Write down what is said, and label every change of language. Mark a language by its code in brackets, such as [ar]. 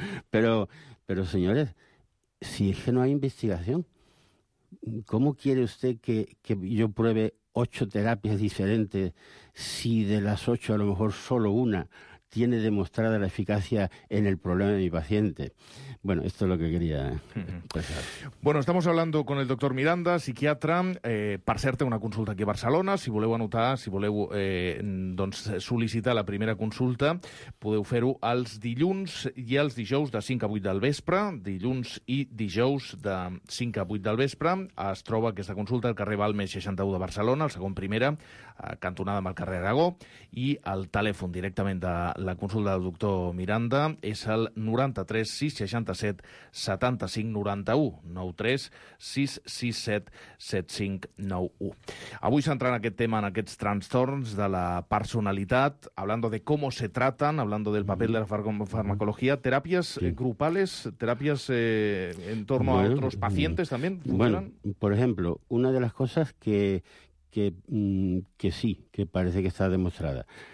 [es] Claro, pero señores, si es que no hay investigación, ¿cómo quiere usted que yo pruebe 8 terapias diferentes si de las 8 a lo mejor solo una tiene demostrada la eficacia en el problema de mi paciente? Bueno, esto es lo que quería expresar. Bueno, estamos hablando con el doctor Miranda, psiquiatra, [ca] per cert, té una consulta aquí a Barcelona. Si voleu anotar, si voleu sol·licitar la primera consulta, podeu fer-ho els dilluns i els dijous de 5 a 8 del vespre. Dilluns i dijous de 5 a 8 del vespre. Es troba aquesta consulta al carrer Balmes 61 de Barcelona, el segon primera, cantonada amb el carrer Aragó, i el telèfon directament de la consulta del doctor Miranda és el 93-667-7591, 93-667-7591. Avui s'entra en aquest tema, en aquests trastorns de la personalitat, [es] hablando de cómo se tratan, hablando del papel de la farmacología, terapias grupales, terapias en torno a otros pacientes también. Bueno, por ejemplo, una de las cosas que sí, que parece que está demostrada.